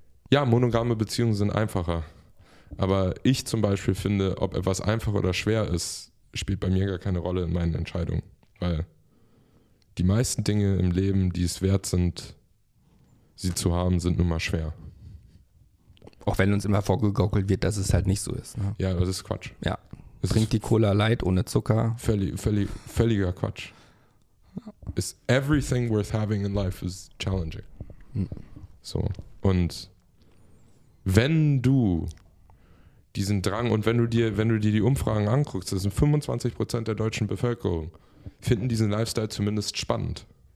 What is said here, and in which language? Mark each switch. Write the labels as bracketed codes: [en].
[de] Ja, monogame Beziehungen sind einfacher, aber ich zum Beispiel finde, ob etwas einfach oder schwer ist, spielt bei mir gar keine Rolle in meinen Entscheidungen, weil die meisten Dinge im Leben, die es wert sind, sie zu haben, sind nun mal schwer. Auch wenn uns immer vorgegaukelt wird, dass es halt nicht so ist. Ne? Ja, das ist Quatsch. Ja, trinkt die Cola light ohne Zucker. Völliger Quatsch. [en] Is everything worth having in life is challenging. [de] So, und wenn du diesen Drang, und wenn du dir die Umfragen anguckst, das sind 25% der deutschen Bevölkerung, finden diesen Lifestyle zumindest spannend.